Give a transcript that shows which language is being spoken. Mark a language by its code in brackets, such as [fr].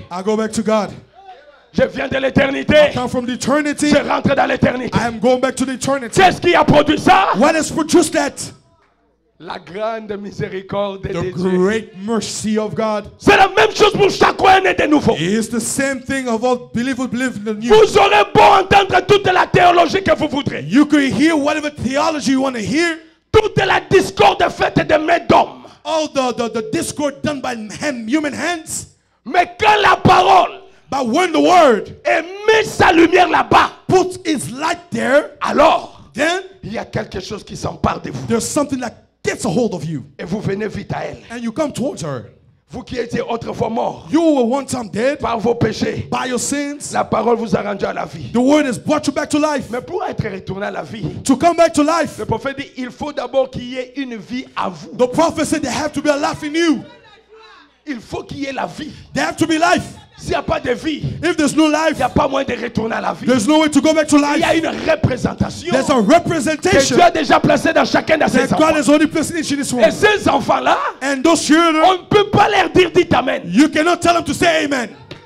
[en] I go back to God. [fr] Je viens de l'éternité. [en] I come from the eternity. [fr] Je rentre dans l'éternité. [en] I am going back to the eternity. [fr] Qu'est-ce qui a produit ça? [en] What has produced that? [fr] La grande miséricorde de Dieu. [en] The great mercy of God. [fr] C'est la même chose pour chaque un de nouveau. [en] It is the same thing of all believers believe in the new. [fr] Vous aurez beau entendre toute la théologie que vous voudrez. [en] You can hear whatever theology you want to hear. [fr] Toute la discorde faite de mains d'hommes. [en] All the discord done by human hands. [fr] Mais quand la parole. [en] But when the word. [fr] Émet sa lumière là-bas. [en] Puts its light there. [fr] Alors. [en] Then. [fr] il y a quelque chose qui s'empare de vous. [en] There's something that gets a hold of you. [fr] Et vous venez vite à elle. [en] And you come towards her. [fr] Vous qui étiez autrefois mort. [en] You were once dead. [fr] Par vos péchés. [en] By your sins. [fr] La parole vous a rendu à la vie. [en] The word has brought you back to life. [fr] Mais pour être retourné à la vie. [en] To come back to life. [fr] Le prophète dit, il faut d'abord qu'il y ait une vie à vous. [en] The prophet said there have to be a life in you. [fr] Il faut qu'il y ait la vie. [en] There have to be life. [fr] S'il n'y a pas de vie, [en] if there's no life, [fr] il n'y a pas moyen de retourner à la vie. [en] There's no way to go back to life. [fr] Il y a une représentation. [en] There's a representation. [fr] Que Dieu a déjà placé dans chacun de ses enfants. [en] That God has placed in this one. [fr] Et ces enfants-là, [en] and those children, [fr] on ne peut pas leur dire dites amen. [en] You cannot tell them to say amen.